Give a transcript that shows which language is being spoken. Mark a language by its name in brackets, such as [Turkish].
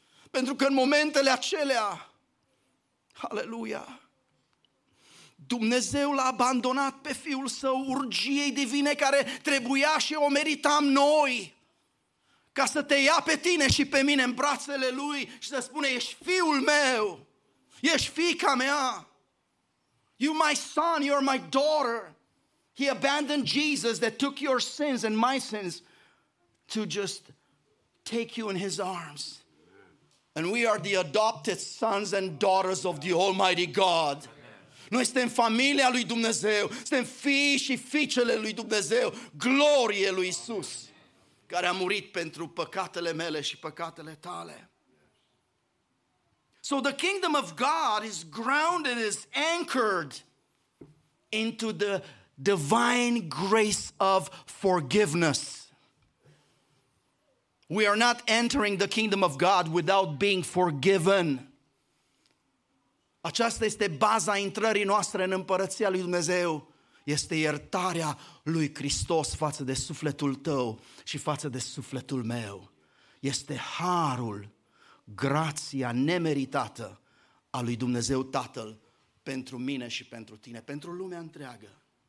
[Romanian] Pentru că în momentele acelea, aleluia, Dumnezeu l-a abandonat pe Fiul Său urgiei divine care trebuia și o meritam noi, ca să te ia pe tine și pe mine în brațele Lui și să spune, ești Fiul meu, ești fiica mea. [English] You my son, you're my daughter. He abandoned Jesus that took your sins and my sins to just take you in his arms. And we are the adopted sons and daughters of the Almighty God. [Romanian] Noi suntem familia lui Dumnezeu, suntem fii și fiicele lui Dumnezeu, glorie lui Iisus, care a murit pentru păcatele mele și păcatele tale. [English] So the kingdom of God is grounded, is anchored into the divine grace of forgiveness. We are not entering the kingdom of God without being forgiven. [Romanian] Aceasta este baza intrării noastre în împărăția lui Dumnezeu. Este iertarea lui Hristos față de sufletul tău și față de sufletul meu. Este harul, grația nemeritată a lui Dumnezeu Tatăl pentru mine și pentru tine, pentru lumea întreagă.